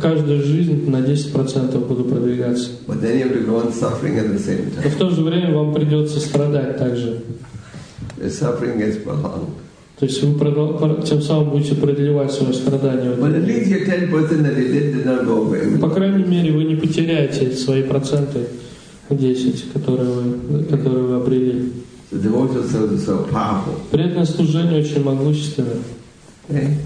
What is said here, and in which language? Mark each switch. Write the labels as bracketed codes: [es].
[ru] Каждую жизнь на 10% буду продвигаться. [en] But then you have to go on suffering at the same time. [ru] Но в то же время вам придется страдать также. [en] The suffering gets prolonged. [ru] То есть вы тем самым будете продлевать свое страдание. [en] But at least your 10% that you did not go away. [ru] По крайней мере, вы не потеряете свои проценты 10, которые вы обрели. [en] The devotional service is so powerful. [ru] Преданное служение очень могущественное.